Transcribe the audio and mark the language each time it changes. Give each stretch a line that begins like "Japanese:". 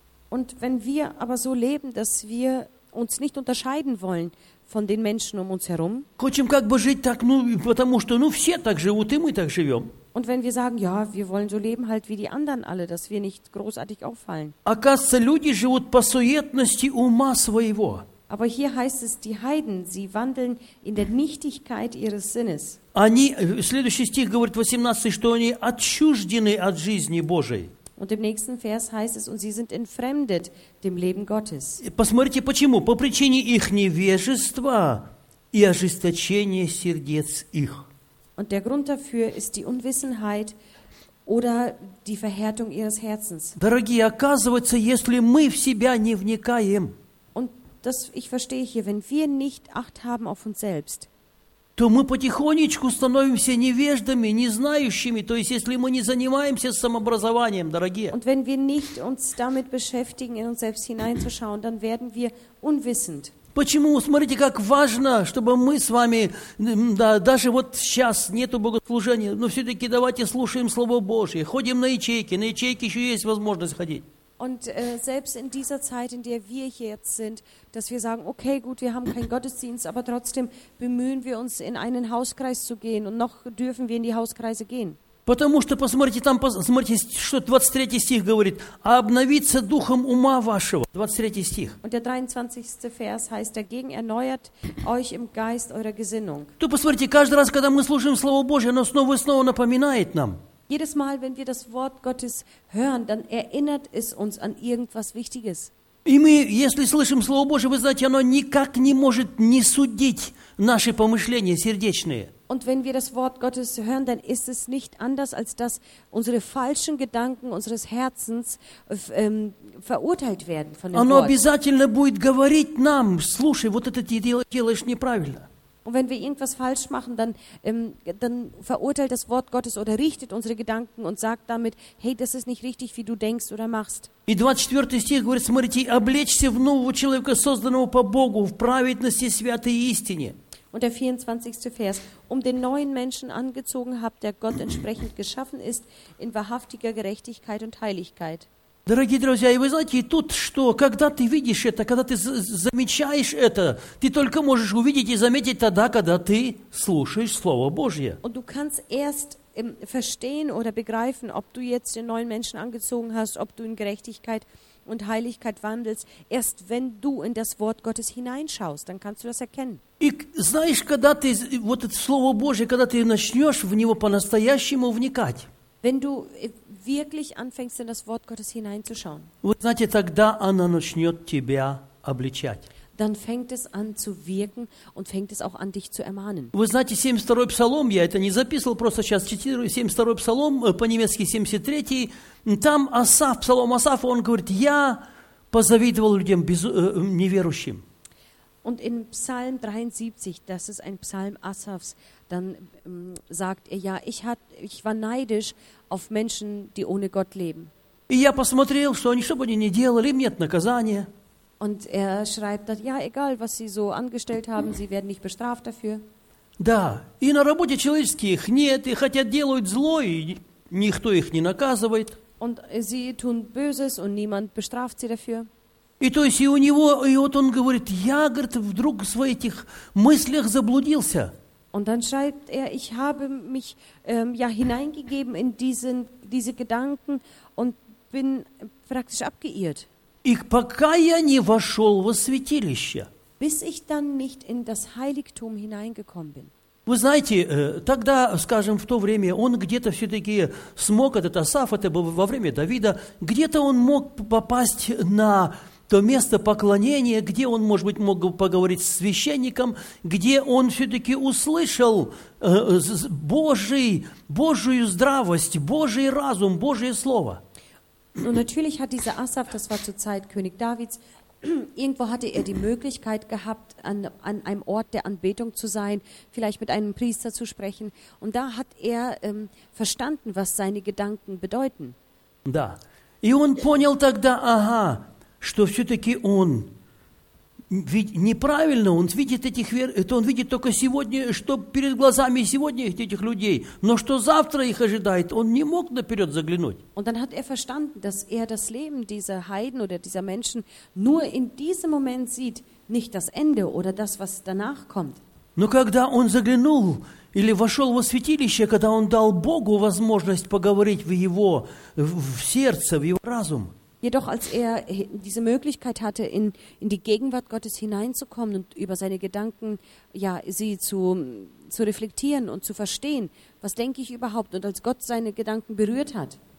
German: Und wenn wir aber so leben, dass wir uns nicht unterscheiden wollen von den Menschen um uns herum.
Russian: Хочем как бы жить так, ну, потому что, ну, все так живут, и мы так живем.
German: Und wenn wir sagen, ja, wir wollen so leben halt wie die anderen alle, dass wir nicht großartig auffallen.
Russian: Оказывается, люди живут по суетности ума своего.
German: Aber hier heißt es, die Heiden, sie wandeln in der Nichtigkeit ihres Sinnes.
Russian: Они, следующий стих говорит 18, что они отчуждены от жизни Божией.
German: Und im nächsten Vers heißt es, und sie sind entfremdet dem Leben Gottes.
Russian: Посмотрите, почему? По причине их невежества и ожесточения сердец их.
German: Und der Grund dafür ist die Unwissenheit oder die Verhärtung ihres Herzens.
Russian: Дорогие, оказывается, если мы в себя не вникаем,
German: und das, ich verstehe hier, wenn wir nicht Acht haben auf uns selbst,
Russian: то мы потихонечку становимся невеждами, незнающими, то есть если мы не занимаемся самообразованием, дорогие.
German: Und wenn wir nicht uns damit beschäftigen, in uns selbst hineinzuschauen, dann werden wir unwissend.
Russian: Почему? Смотрите, как важно, чтобы мы с вами, да, даже вот сейчас нету богослужения, но все-таки давайте слушаем Слово Божье, ходим на ячейки еще есть возможность ходить.
German: Und selbst in dieser Zeit, in der wir hier jetzt sind, dass wir sagen, okay, gut, wir haben keinen Gottesdienst, aber trotzdem bemühen wir uns, in einen Hauskreis zu gehen und noch dürfen wir in die Hauskreise gehen.
Russian: Потому что, посмотрите, там, посмотрите, что 23 стих говорит, а обновиться духом ума вашего. 23 стих.
German: Und der 23. Vers heißt, dagegen erneuert euch im Geist eurer Gesinnung.
Russian: То, посмотрите, каждый раз, когда мы слушаем Слово Божие, оно снова и снова напоминает нам.
German: Jedes Mal, wenn wir das Wort Gottes hören, dann erinnert es uns an irgendwas Wichtiges.
Russian: И мы, если слышим Слово Божие, вы знаете, оно никак не может не судить наши помышления сердечные.
German: Und wenn wir das Wort Gottes hören, dann ist es nicht anders, als dass unsere falschen Gedanken unseres Herzens verurteilt werden von dem
Russian: оно
German: Wort.
Russian: Обязательно будет говорить нам, слушай, вот это ты делаешь неправильно.
German: Und wenn wir irgendwas falsch machen, dann, dann verurteilt das Wort Gottes oder richtet unsere Gedanken und sagt damit, hey, das ist nicht richtig, wie du denkst oder machst.
Russian: И 24 стих говорит, смотрите, облечься в нового человека, созданного по Богу, в праведности, святой истине.
German: Und der 24. Vers, um den neuen Menschen angezogen habt, der Gott entsprechend geschaffen ist, in wahrhaftiger Gerechtigkeit und Heiligkeit.
Russian: Дорогие друзья, и вы знаете, и тут что, когда ты видишь это, когда ты замечаешь это, ты только можешь увидеть и заметить тогда, когда ты слушаешь Слово Божье.
German: Und du kannst erst verstehen oder begreifen, ob du jetzt den neuen Menschen angezogen hast, ob du in Gerechtigkeit und Heiligkeit wandelst, erst wenn du in das Wort Gottes hineinschaust, dann kannst du das erkennen.
Russian: И знаешь, когда ты, вот это Слово Божье, когда ты начнешь в него по-настоящему вникать,
German: wenn du wirklich anfängst, in das Wort Gottes hineinzuschauen,
Russian: вы знаете, тогда оно начнет тебя обличать.
German: Dann fängt es an zu wirken und fängt es auch an, dich zu ermahnen.
Russian: Вы знаете, 72-й Псалом, я это не записывал, просто сейчас цитирую, 72-й Псалом, по-немецки 73-й, там Асаф, Псалом Асаф, он говорит, я позавидовал людям неверующим.
German: Und in Psalm 73, das ist ein Psalm Asafs, dann sagt er, ja, ich war neidisch auf Menschen, die ohne Gott leben.
Russian: И я посмотрел, что они, что бы они ни делали, им нет наказания.
German: Und er schreibt, dass, ja, egal, was sie so angestellt haben, sie werden nicht bestraft dafür.
Russian: Да, и на работе человеческие их нет, и хотя делают зло, и никто их не наказывает.
German: Und sie tun Böses und niemand bestraft sie dafür.
Russian: И то есть и у него, и вот он говорит, я, говорит, вдруг в своих этих мыслях заблудился.
German: Und dann schreibt er, ich habe mich ja hineingegeben in diese Gedanken und bin praktisch abgeirrt.
Russian: И пока я не вошел во святилище.
German: Bis ich dann nicht in das Heiligtum hineingekommen bin.
Russian: Вы знаете, тогда, скажем, в то время он где-то все-таки смог, этот Асаф, это было во время Давида, где-то он мог попасть на то место поклонения, где он, может быть, мог поговорить с священником, где он все-таки услышал Божию здравость, Божий разум, Божие слово.
German: Ну, natürlich hat dieser Asaf, das war zur Zeit König Davids, irgendwo hatte er die Möglichkeit gehabt, an einem Ort der Anbetung zu sein, vielleicht mit einem Priester zu sprechen. Und da hat er verstanden, was seine Gedanken bedeuten.
Russian: Да. И он понял тогда, ага, что все-таки он неправильно, он видит этих вер, это он видит только сегодня, что перед глазами сегодня этих людей, но что завтра их ожидает, он не мог наперед заглянуть.
German: Und dann hat er verstanden, dass er das Leben dieser Heiden oder dieser Menschen nur in diesem Moment sieht, nicht das Ende oder das, was danach kommt.
Russian: Но когда он заглянул или вошел во святилище, когда он дал Богу возможность поговорить в его в сердце, в его разум.
German: Jedoch als er diese Möglichkeit hatte, in die Gegenwart Gottes hineinzukommen und über seine Gedanken, ja, sie zu reflektieren und zu verstehen, was denke ich überhaupt, und als Gott seine Gedanken berührt hat.